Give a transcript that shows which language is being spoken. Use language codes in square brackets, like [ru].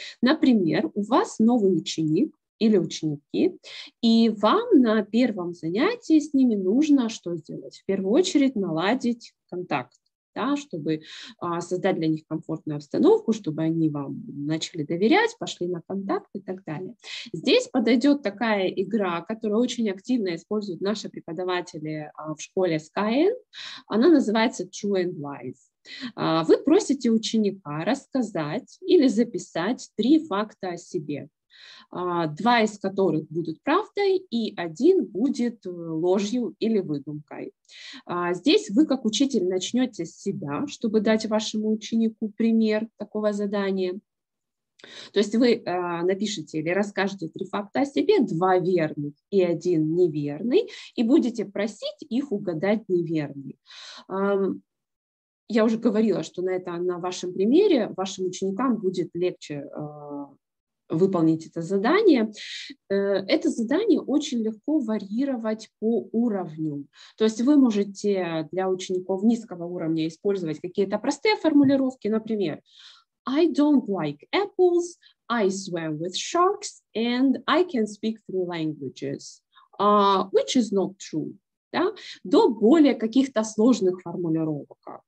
[ru] Например, у вас новый ученик или ученики, и вам на первом занятии с ними нужно что сделать? В первую очередь наладить контакт. Да, чтобы создать для них комфортную обстановку, чтобы они вам начали доверять, пошли на контакт и так далее. Здесь подойдет такая игра, которую очень активно используют наши преподаватели в школе Skyeng. Она называется True and Lies. Вы просите ученика рассказать или записать 3 факта о себе. 2 из которых будут правдой, и 1 будет ложью или выдумкой. Здесь вы, как учитель, начнете с себя, чтобы дать вашему ученику пример такого задания. То есть вы напишите или расскажете 3 факта о себе, 2 верных и 1 неверный, и будете просить их угадать неверный. Я уже говорила, что на вашем примере вашим ученикам будет легче выполнить это задание. Это задание очень легко варьировать по уровню. То есть вы можете для учеников низкого уровня использовать какие-то простые формулировки, например, [en] I don't like apples, I swim with sharks, and I can speak 3 languages, which is not true. [ru] Да? До более каких-то сложных формулировок.